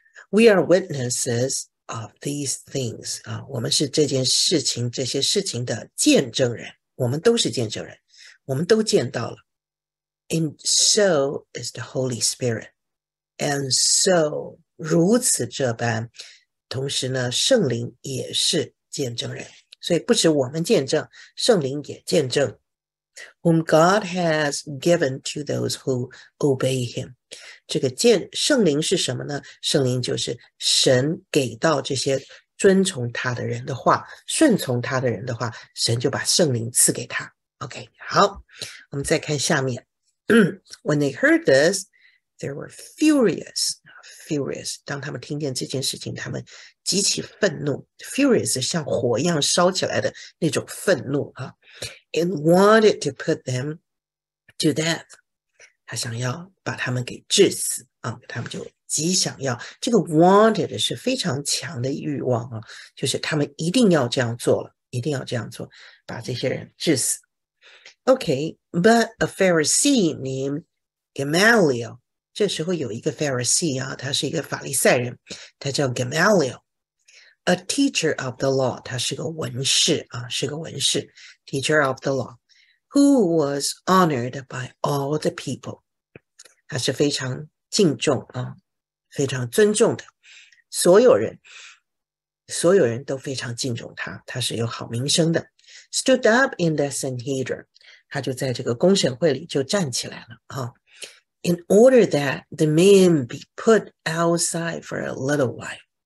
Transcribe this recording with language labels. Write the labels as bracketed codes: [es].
[en] We are witnesses. Of these things, [zh] 啊，我们是这件事情，这些事情的见证人，我们都是见证人，我们都见到了。 [en] And so is the Holy Spirit. And so, [zh] 如此这般，同时呢，圣灵也是见证人。所以不止我们见证，圣灵也见证。 [en] Whom God has given to those who obey him. [zh] 这个见圣灵是什么呢？圣灵就是神给到这些遵从他的人的话，顺从他的人的话，神就把圣灵赐给他。 [en] OK， [zh] 好，我们再看下面。 [en] When they heard this, they were furious. [zh] Furious， 当他们听见这件事情，他们极其愤怒。 Furious 像火一样烧起来的那种愤怒啊。 [en] And wanted to put them to death. [zh] 他想要把他们给致死啊，他们就极想要。这个 wanted 是非常强的欲望啊，就是他们一定要这样做了，一定要这样做，把这些人致死。 [en] Okay, but a Pharisee named Gamaliel. [zh] 这时候有一个 Pharisee 啊，他是一个法利赛人，他叫 Gamaliel. [en] A teacher of the law. [zh] 他是个文士啊，是个文士。 [en] Teacher of the law, who was honored by all the people. [zh] 他是非常敬重啊，非常尊重的，所有人，所有人都非常敬重他，他是有好名声的。 [en] Stood up in the Sanhedrin. [zh] 他就在这个公审会里就站起来了啊。 [en] In order that the men be put outside for a little while.